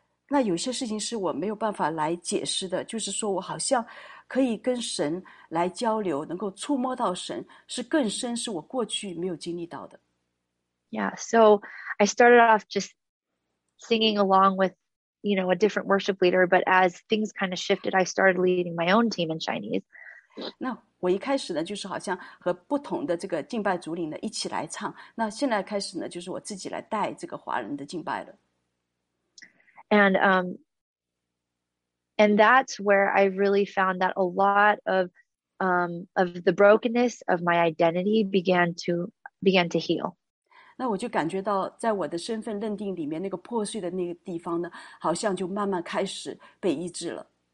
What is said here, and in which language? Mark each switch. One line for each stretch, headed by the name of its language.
Chinese: 那有些事情是我没有办法来解释的，就是说我好像可以跟神来交流，能够触摸到神，是更深，是我过去没有经历到的。
English: Yeah, so I started off just singing along with, you know, a different worship leader, but as things kind of shifted, I started leading my own team in Chinese.
Chinese: 那我一开始呢，就是好像和不同的这个敬拜组领呢一起来唱。那现在开始呢，就是我自己来带这个华人的敬拜了。
English: And that's where I really found that a lot of the brokenness of my identity began to heal.
Chinese: 那我就感觉到，在我的身份认定里面那个破碎的那个地方呢，好像就慢慢开始被医治了。